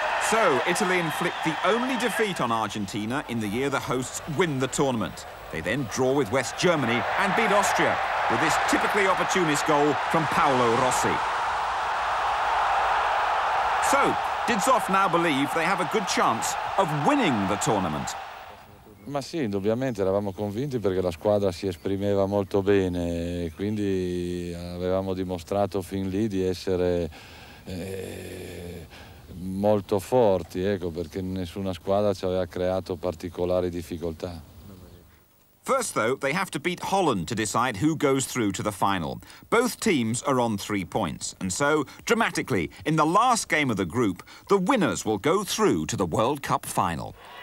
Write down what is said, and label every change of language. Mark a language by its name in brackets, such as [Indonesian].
[English] So, Italy inflict the only defeat on Argentina in the year the hosts win the tournament. They then draw with West Germany and beat Austria with this typically opportunist goal from Paolo Rossi. So, did Zoff now believe they have a good chance of winning the tournament? [Italian] Ma sì, indubbiamente eravamo convinti perché la squadra si esprimeva molto bene, quindi avevamo dimostrato fin lì di essere molto forti, ecco, perché nessuna squadra ci aveva creato particolari difficoltà. [English] First though, they have to beat Holland to decide who goes through to the final. Both teams are on 3 points, and so, dramatically, in the last game of the group, the winners will go through to the World Cup final.